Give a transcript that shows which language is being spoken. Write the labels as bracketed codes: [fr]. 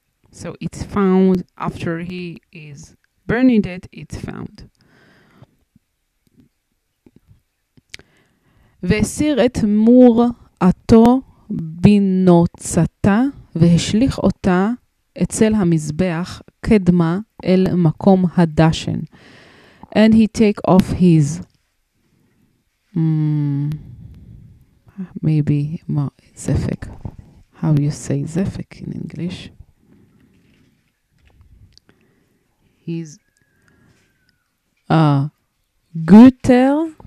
[en] So it's found after he is burning it, it's found. [he] וסיר את מורעתו בנוצתה והשליך אותה אצל המזבח קדמה אל מקום הדשן. [en] And he take off his maybe זפק. How you say זפק in English? His גוטר.